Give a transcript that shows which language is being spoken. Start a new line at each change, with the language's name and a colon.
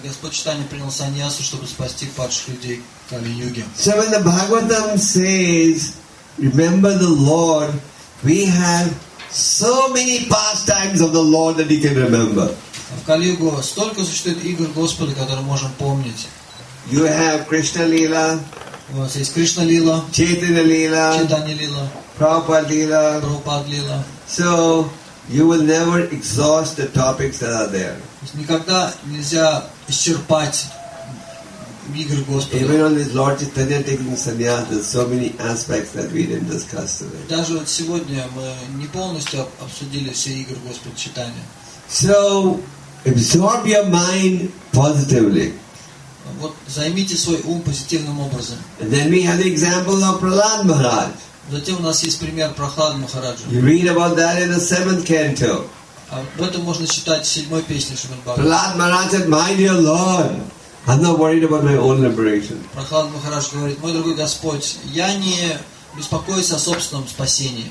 Russian: Господь Чайтанья принял саньясу, чтобы спасти падших людей Кали Юги.
English: So when the Bhagavatam says, remember the Lord, we have so many pastimes of the Lord that you can remember.
Russian: В Кали-югу столько существует игр Господа, которые можем помнить.
English: You have Krishna Lila.
Russian: У вас есть Krishna Lila.
English: Chaitanya Lila.
Russian: Chaitanya Lila.
English: Prabhupada Lila.
Russian: Prabhupada Lila.
English: So you will never exhaust the topics that are there.
Russian: Никогда нельзя исчерпать игры Господа.
English: Even on this Lord Chaitanya taking sannyas, there's so many aspects that we didn't discuss today.
Russian: Даже вот сегодня мы не полностью обсудили все игры Господа Чайтанья.
English: So, absorb your mind positively.
Russian: Вот займите свой ум позитивным образом.
English: And then we have the example of Prahlad Maharaj.
Russian: Затем у нас есть пример Прохлады Махараджа.
English: You read about that in the seventh canto.
Russian: Об этом можно читать в седьмой песне Шримад-Бхагаватам.
English: Prahlad Maharaj said, my dear Lord, I'm not worried about my own liberation.
Russian: Prahlad Maharaj говорит, мой дорогой Господь, я не беспокоюсь о собственном спасении.